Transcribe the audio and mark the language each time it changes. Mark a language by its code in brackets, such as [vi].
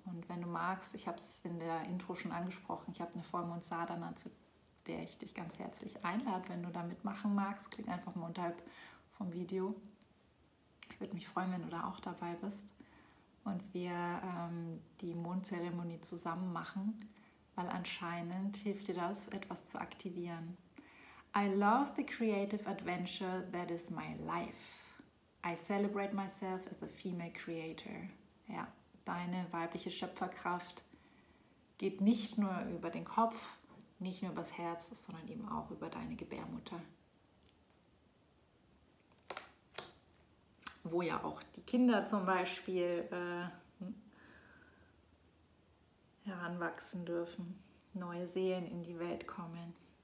[de] Und wenn du magst, ich habe es in der Intro schon angesprochen, ich habe eine Vollmond-Sadhana, zu der ich dich ganz herzlich einlade. Wenn du da mitmachen magst, klick einfach mal unterhalb vom Video. Ich würde mich freuen, wenn du da auch dabei bist. Und wir die Mondzeremonie zusammen machen, weil anscheinend hilft dir das, etwas zu aktivieren. [en] I love the creative adventure that is my life. I celebrate myself as a female creator. [de] Ja, deine weibliche Schöpferkraft geht nicht nur über den Kopf, nicht nur über das Herz, sondern eben auch über deine Gebärmutter. Wo ja auch die Kinder zum Beispiel heranwachsen dürfen, neue Seelen in die Welt kommen.